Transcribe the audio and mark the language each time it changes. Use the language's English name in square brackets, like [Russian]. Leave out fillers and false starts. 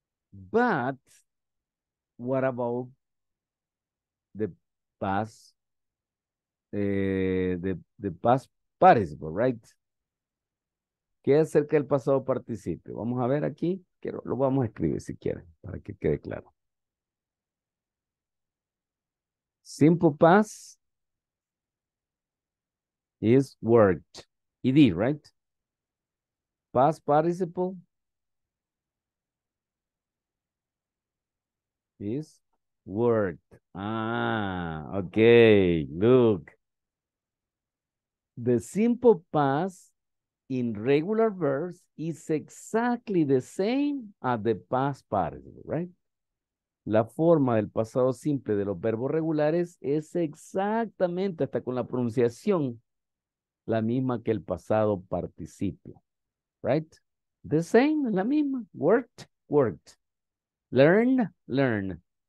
[English] But what about the past, the past participle, right? [Spanish] ¿Qué acerca del pasado participio? Vamos a ver aquí, lo vamos a escribir si quieren, para que quede claro. [English] Simple past is worked, ed, right? Past participle is worked. Ah, okay. Look. The simple past in regular verbs is exactly the same as the past participle, right? [Spanish] La forma del pasado simple de los verbos regulares es exactamente, hasta con la pronunciación, la misma que el pasado participio, right? [English] The same, [Spanish] la misma. [English] Worked, worked. Learn, learn.